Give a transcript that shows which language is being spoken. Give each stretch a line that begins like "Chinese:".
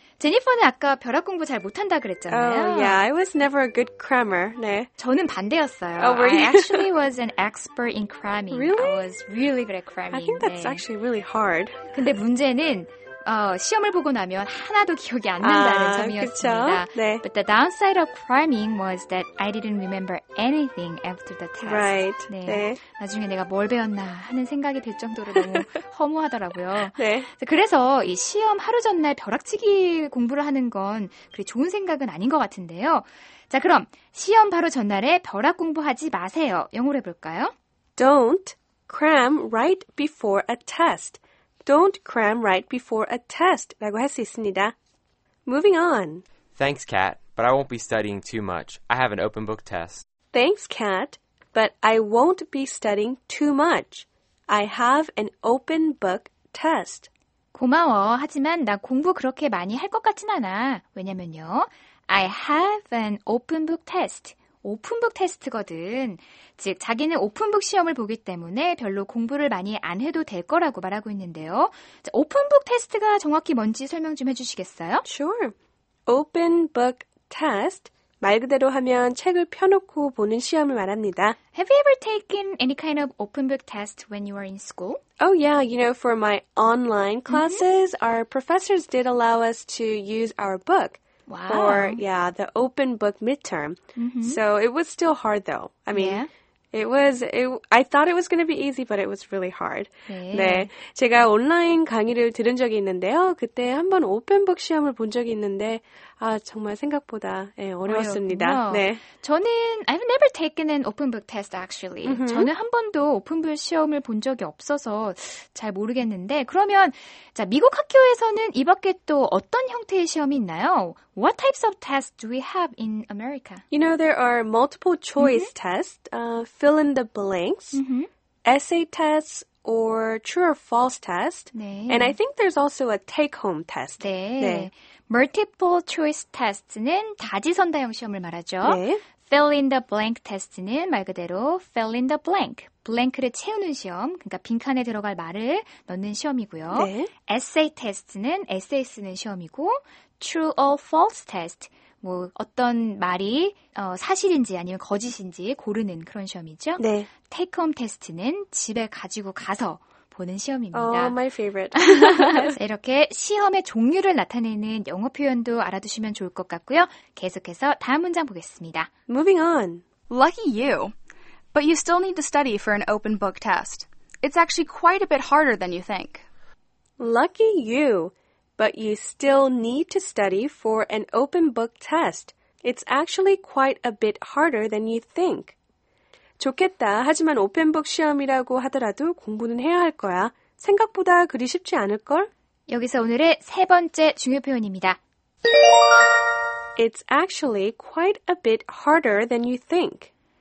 Korean: 제니퍼는 아까 벼락 공부 잘 못한다 그랬잖아요.
English: Oh, yeah, I was never a good crammer.
Korean: 네. 저는 반대였어요.
English: Oh, were you? I actually was an expert in cramming. Really? I was really good at cramming. I think that's
Korean: 네.
English: actually really hard.
Korean: 근데 문제는 시험을 보고 나면 하나도 기억이 안 난다는 점이었습니다. 네.
English: But the downside of priming was that I didn't remember anything after the test. Right.
Korean: 네. 네. 나중에 내가 뭘 배웠나 하는 생각이 들 정도로 너무 허무하더라고요. 네. 그래서 이 시험 하루 전날 벼락치기 공부를 하는 건 그리 좋은 생각은 아닌 것 같은데요. 자, 그럼 시험 바로 전날에 벼락 공부하지 마세요. 영어로 해볼까요?
English: Don't cram right before a test. Don't cram right before a test
Korean: 라고 할 수 있습니다.
English: Moving on. Thanks, Kat, but I won't be studying too much. I have an open book test. Thanks, Kat, but I won't be studying too much. I have an open book test.
Korean: 고마워. 하지만 나 공부 그렇게 많이 할 것 같진 않아. 왜냐면요.
English: I have an open book test.
Korean: 오픈북 테스트거든. 즉, 자기는 오픈북 시험을 보기 때문에 별로 공부를 많이 안 해도 될 거라고 말하고 있는데요. 자, 오픈북 테스트가 정확히 뭔지 설명 좀 해주시겠어요?
English: Sure. Open book test.
Korean: 말 그대로 하면 책을 펴놓고 보는 시험을 말합니다.
English: Have you ever taken any kind of open book test when you were in school? Oh yeah, you know, for my online classes, mm-hmm. our professors did allow us to use our book. Wow. For, yeah, the open book midterm. Mm-hmm. So it was still hard, though. I mean, yeah. I thought it was going to be easy, but it was really hard.
Korean: 네. 네. 제가 온라인 강의를 들은 적이 있는데요. 그때 한번 open book 시험을 본 적이 있는데, 아, 정말 생각보다 네, 어려웠습니다. 어렵군요. 네. 저는,
English: I've never taken an open book test, actually. Mm-hmm.
Korean: 저는 한 번도 open book 시험을 본 적이 없어서 잘 모르겠는데, 그러면, 자, 미국 학교에서는 이 밖에 또 어떤 형태의 시험이 있나요?
English: What types of tests do we have in America? You know, there are multiple choice mm-hmm. tests, fill in the blanks, mm-hmm. essay tests, or true or false test.
Korean: 네.
English: And I think there's also a take-home test.
Korean: 네. 네. Multiple choice test는 다지선 다형 시험을 말하죠. 네.
English: Fill in the blank test
Korean: 는 말 그대로
English: fill in the blank.
Korean: 블랭크를 채우는 시험, 그러니까 빈칸에 들어갈 말을 넣는 시험이고요. 네. Essay test는 에세이 쓰는 시험이고, true or false test, 뭐 어떤 말이 사실인지 아니면 거짓인지 고르는 그런 시험이죠. 네. Take home test는 집에 가지고 가서 보는 시험입니다.
English: Oh, my favorite.
Korean: 이렇게 시험의 종류를 나타내는 영어 표현도 알아두시면 좋을 것 같고요. 계속해서 다음 문장 보겠습니다.
English: Moving on. Lucky you. But you still need to study for an open book test. It's actually quite a bit harder than you think. Lucky you. But you still need to study for an open book test. It's actually quite a bit harder than you think.
Korean: 좋겠다. 하지만 오픈북 시험이라고 하더라도 공부는 해야 할 거야. 생각보다 그리 쉽지 않을걸? 여기서 오늘의 세 번째 중요 표현입니다.
English: It's actually quite a bit harder than you think.